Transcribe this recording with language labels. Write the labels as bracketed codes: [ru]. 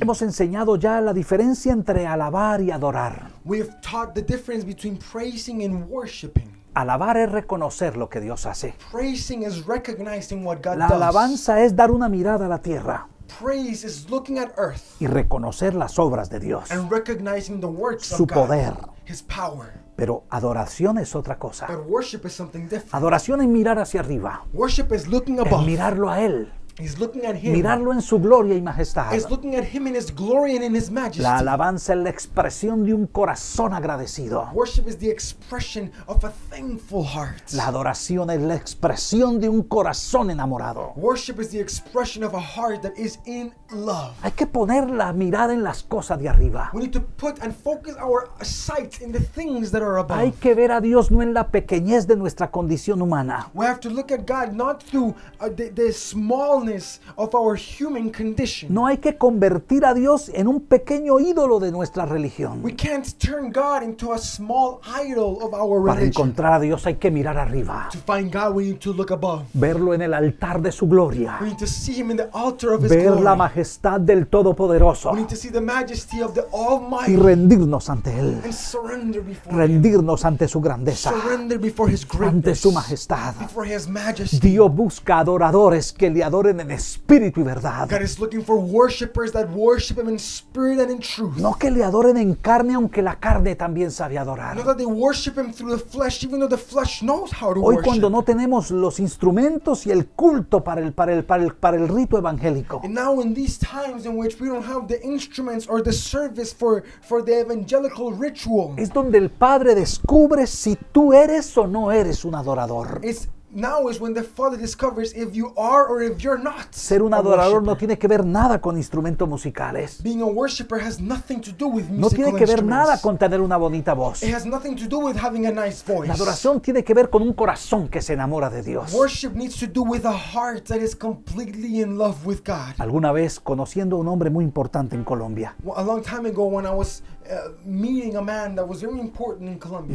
[es] Hemos enseñado ya la diferencia entre alabar y adorar. [en] We have taught the difference between praising and worshiping. [es] Alabar es reconocer lo que Dios hace. [en] Praising is recognizing what God does. [es] La alabanza es dar una mirada a la tierra. [en] Praise is looking at earth. [es] Y reconocer las obras de Dios. [en] And recognizing the works of God. [es] Su poder. [en] His power. [es] Pero adoración es otra cosa. [en] But worship is something different. [es] Adoración es mirar hacia arriba. [en] Worship is looking above. [es] Es mirarlo a Él. [en] He's looking at Him. [es] Mirarlo en su gloria y majestad. [en] He's looking at Him in His glory and in His majesty. [es] La alabanza es la expresión de un corazón agradecido. [en] Worship is the expression of a thankful heart. [es] La adoración es la expresión de un corazón enamorado. [en] Worship is the expression of a heart that is in love. [es] Hay que poner la mirada en las cosas de arriba. [en] We need to put and focus our sight in the things that are above. [es] Hay que ver a Dios no en la pequeñez de nuestra condición humana. [en] We have to look at God not through the small of our human condition. [es] No hay que convertir a Dios en un pequeño ídolo de nuestra religión. [en] We can't turn God into a small idol of our religion. [es] Para encontrar a Dios hay que mirar arriba. [en] To find God, we need to look above. [es] Verlo en el altar de su gloria. [en] We need to see Him in the altar of His [es] Ver [en] glory. [es] La majestad del Todopoderoso. [en] We need to see the majesty of the Almighty. [es] Y rendirnos ante Él. [en] And surrender before [es] rendirnos [en] Him. [es] Ante su grandeza. [en] Surrender before His greatness. [es] Ante su majestad. [en] Before His majesty. [es] Dios busca adoradores que le adoren en espíritu y verdad. [en] God is looking for worshipers that worship Him in spirit and in truth. [es] No que le adoren en carne, aunque la carne también sabe adorar. [en] Not that they worship Him through the flesh, even though the flesh knows how to worship. [es] Hoy cuando no tenemos los instrumentos y el culto para el rito evangélico. [en] And now in these times in which we don't have the instruments or the service for the evangelical ritual. [es] Es donde el Padre descubre si tú eres o no eres un adorador. [en] Now is when the Father discovers if you are or if you're not. [es] Ser un adorador no tiene que ver nada con instrumentos musicales. [en] Being a worshipper has nothing to do with musical [es] instruments. No tiene que ver nada con tener una bonita voz. [en] It has nothing to do with having a nice voice. [es] La adoración tiene que ver con un corazón que se enamora de Dios. [en] Worship needs to do with a heart that is completely in love with God. [es] Alguna vez conociendo a un hombre muy importante en Colombia. [en] A long time ago when I was meeting a man that was very important in Colombia.